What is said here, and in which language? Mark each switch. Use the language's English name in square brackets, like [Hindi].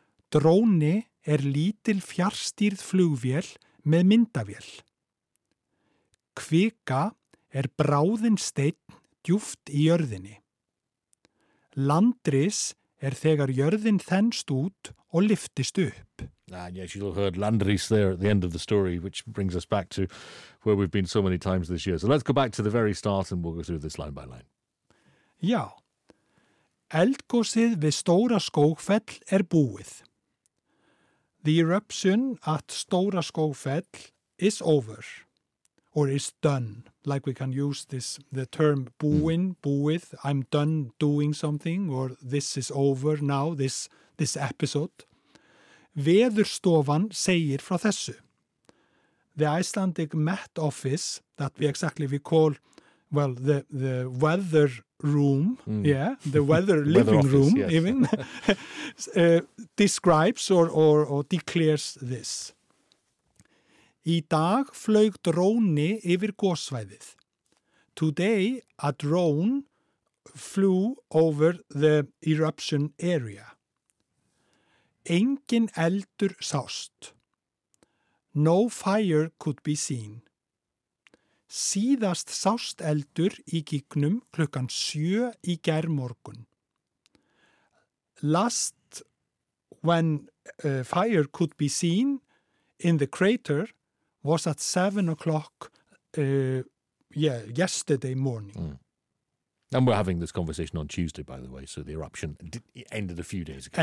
[Icelandic] Dróni lítil fjarstýrð flugvél með myndavél. Kvika bráðin steinn djúft í jörðinni. Landris þegar jörðin þenst út og lyftist upp. [English] And yes, you'll heard Landris there at the end of the story, which brings us back to where we've been so many times this year. So let's go back to the very start and we'll go through this line by line. [Icelandic] Já, eldgosið við stóra skógfell búið. [English] The eruption at stóra skógfell is over. Or is done, like we can use this the term búin, búið, I'm done doing something, or this is over now, this episode. [Icelandic] Veðurstofan segir frá þessu. [English] The Icelandic Met Office, that we call the weather room, the weather living weather office, room, yes. Even, describes or declares this. [Icelandic] Í dag flaug dróni yfir gosvæðið. [English] Today, a drone flew over the eruption area. [Icelandic] Engin eldur sást. [English] No fire could be seen. [Icelandic] Síðast sást eldur í gígnum klukkan 7 í gærmorgun. [English] Last when fire could be seen in the crater was at 7 o'clock yesterday morning. Mm. And we're having this conversation on Tuesday, by the way, so the eruption ended a few days ago.